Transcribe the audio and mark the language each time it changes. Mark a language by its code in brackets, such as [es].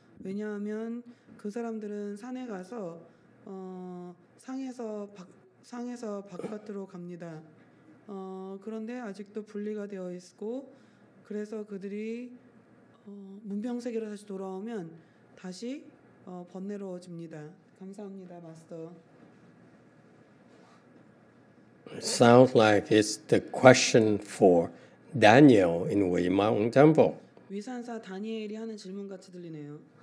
[ko] 왜냐하면 그 사람들은 산에 가서 상에서 바깥으로 갑니다. 그런데 아직도 분리가 되어 있고 그래서 그들이 문명 세계로 다시 돌아오면 다시 번뇌로워집니다. 감사합니다, 마스터. [en] Sounds like it's the question for Daniel in Weimang Temple. [ko] 위산사 다니엘이 하는 질문 같이 들리네요.